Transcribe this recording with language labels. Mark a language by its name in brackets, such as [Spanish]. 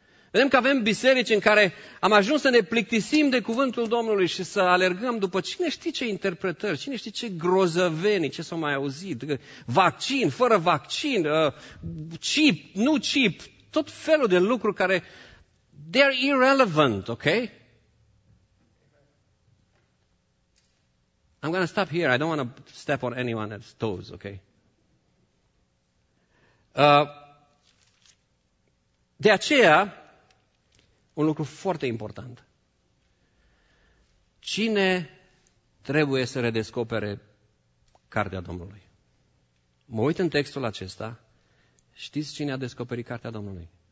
[Romanian] Vedem că avem biserici în care am ajuns să ne plictisim de cuvântul Domnului și să alergăm după cine știe ce interpretări, cine știe ce grozăveni, ce s-au mai auzit, vaccin, fără vaccin, chip, nu chip, tot felul de lucruri care, [English] they are irrelevant, ok? I'm going to stop here, I don't want to step on anyone's toes, ok? [Romanian] De aceea, un lucru foarte important. Cine trebuie să redescopere Cartea Domnului? Mă uit în textul acesta. Știți cine a descoperit Cartea Domnului?